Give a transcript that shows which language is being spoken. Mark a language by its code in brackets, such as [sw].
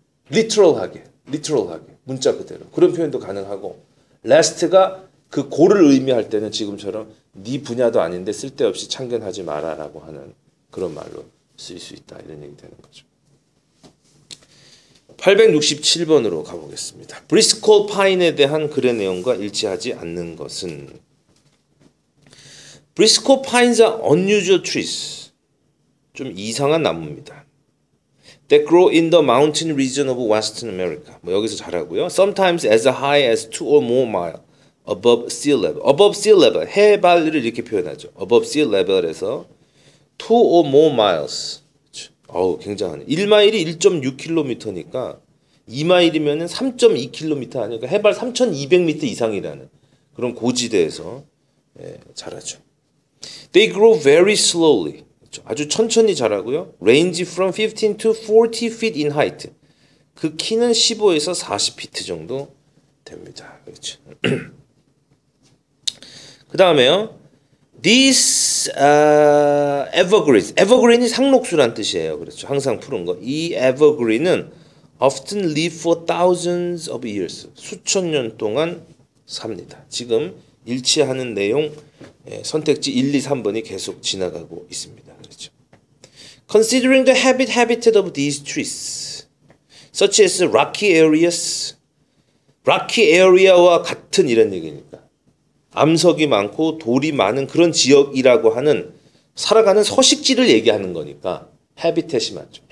[ko] literal하게 문자 그대로 그런 표현도 가능하고 last가 그 고를 의미할 때는 지금처럼 네 분야도 아닌데 쓸데없이 참견하지 마라라고 하는 그런 말로 쓸 수 있다 이런 얘기 되는 거죠. 867번으로 가보겠습니다. 브리스코 파인에 대한 글의 내용과 일치하지 않는 것은 브리스코 파인 [en] are unusual trees. [ko] 좀 이상한 나무입니다. [en] They grow in the mountain region of Western America. [ko] 뭐 여기서 자라고요. [en] Sometimes as high as 2 or more miles above sea level. Above sea level. [ko] 해발을 이렇게 표현하죠. [en] Above sea level에서 2 or more miles. [ko] 어우, 굉장하네. 1마일이 1.6km니까 2마일이면 3.2km 아니니까 해발 3,200m 이상이라는 그런 고지대에서 예, 자라죠. [en] They grow very slowly. [ko] 아주 천천히 자라고요. [en] Range from 15 to 40 feet in height. [ko] 그 키는 15에서 40피트 정도 됩니다. 그렇죠. [en] 그 다음에요. These evergreens. [ko] Evergreen이 상록수란 뜻이에요. 그렇죠. 항상 푸른 거. [en] 이 evergreen은 often live for thousands of years. [ko] 수천 년 동안 삽니다. 지금 일치하는 내용 예, 선택지 1, 2, 3번이 계속 지나가고 있습니다. 그렇죠. [en] Considering the habitat of these trees, such as rocky areas, [ko] rocky area와 같은 이런 얘기니까 암석이 많고 돌이 많은 그런 지역이라고 하는 살아가는 서식지를 얘기하는 거니까 habitat이 맞죠.